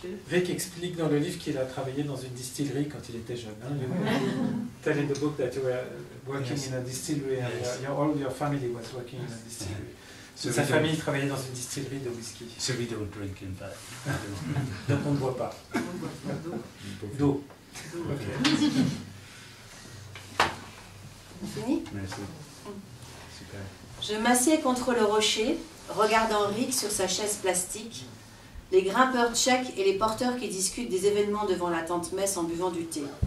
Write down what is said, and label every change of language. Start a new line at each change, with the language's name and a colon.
French: Rick explique dans le livre qu'il a travaillé dans une distillerie quand il était jeune.
English: Tell in the book that you were working in a distillery and all your family was working in a distillery. So
French: sa famille travaillait dans une distillerie de whisky.
English: So we don't drink in fact.
French: Donc on ne boit pas. D'eau.
English: Okay.
French: Fini. Merci. Je m'assieds contre le rocher, regardant Rick sur sa chaise plastique, les grimpeurs tchèques et les porteurs qui discutent des événements devant la tente Metz en buvant du thé.